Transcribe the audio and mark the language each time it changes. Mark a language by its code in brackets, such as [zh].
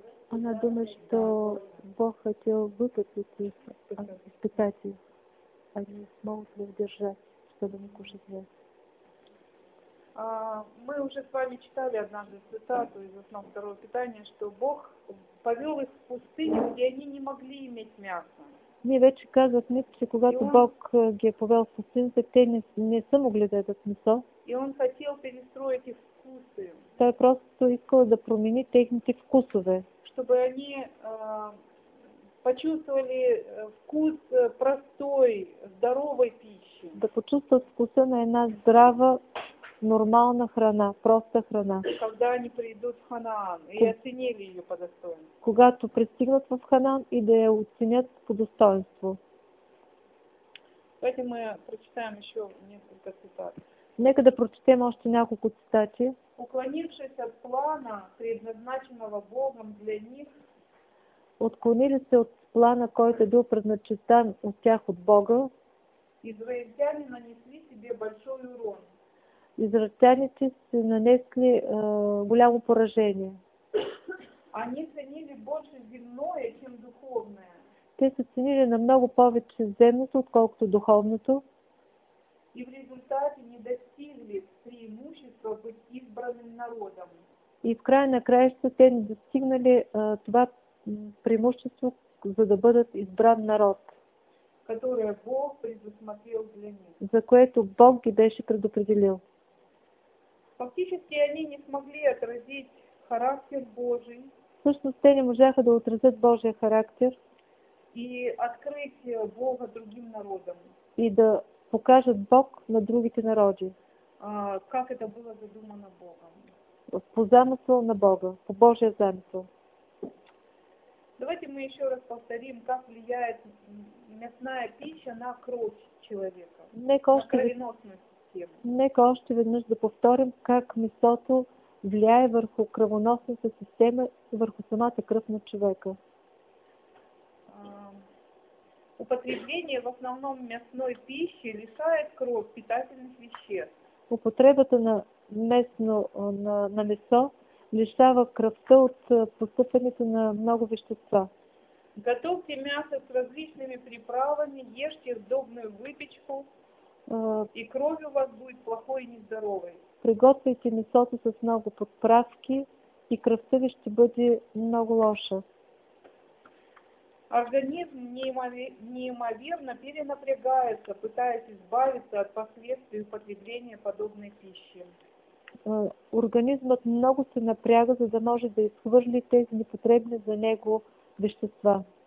[ru] Она думает, что Бог хотел выпустить их от испытаний. Они смогут ли удержать, чтобы не кушать мясо. Мы уже с вами читали однажды цитату из основ второго питания, что Бог повел их в пустыню, где они не могли иметь мясо. [bg] Не, вече казват ми, че когато Бог ги е повел в пустинята, те не са могли да ядат месо. [ru] И он хотел перестроить их вкусы. [bg] Той просто искал да промени техните вкусове. [ru] Чтобы они почувствовали вкус простой, здоровой пищи. [bg] Да почувстват вкуса на една здрава нормална храна, проста храна. [ru] Когда они придут в Ханаан и оценили ее по достоинству. [bg] Когато пристигнат в Ханаан и да я оценят по достоинству. [ru] Давайте мы прочитаем еще несколько цитат. [bg] Нека да прочитаем още няколко цитати. [ru] Уклонившись от плана, предназначенного Богом для них, [bg] отклонили се от плана, който е бил предначертан от тях от Бога, [ru] израильтяне нанесли себе большой урон. [bg] Израильтяните си нанесли голямо поражение. [ru] Они ценили больше земное, чем духовное. [bg] Те са ценили на много повече земното, отколкото духовното. [ru] И в результате не достигли преимущества быть избранным народом. [bg] И в край на краища те не достигнали това преимущество, за да бъдат избран народ. [ru] Которое Бог предусмотрел для них. [bg] За което Бог ги беше предопределил. [ru] Фактически они не смогли отразить характер Божий. [bg] Всъщност те не можаха да отразят Божия характер. [ru] И открыть Бога другим народам. [bg] И да покажат Бог на другите народи. [ru] Как это было задумано Богом? [bg] По замысла на Бога, по Божия замысла. [ru] Давайте мы еще раз повторим, как влияет мясная пища на кровь человека, на кровеносную систему. [bg] Нека още веднъж да повторим, как месото влияе върху кръвоносната система, върху самата кръв на човека. [ru] Употребление в основном мясной пищи лишает кровь питательных веществ. [bg] Употребата на месно, на месо лишава кръвта от поступването на много вещества. [ru] Готовьте мясо с различными приправами, ешьте сдобную выпечку, и кровь у вас будет плохой и нездоровой. [bg] Приготвяйте месото с много подправки и кръвта ви ще бъде много лоша. [ru] Организм неимоверно перенапрягается, пытаясь избавиться от последствий употребления подобной пищи. [bg] Организмът много се напряга, за да може да изхвърли тези непотребни за него вещества.